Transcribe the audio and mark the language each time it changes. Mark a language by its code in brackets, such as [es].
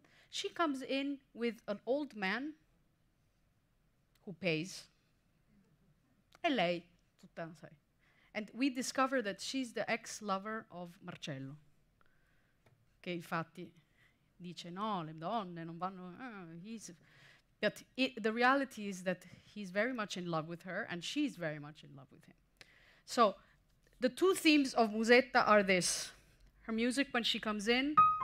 [en] She comes in with an old man who pays. [it] E lei, tutta, sai. [en] And we discover that she's the ex-lover of Marcello. [it] Che infatti dice no, le donne non vanno. [en] The reality is that he's very much in love with her and she's very much in love with him. So the two themes of Musetta are this. Her music when she comes in.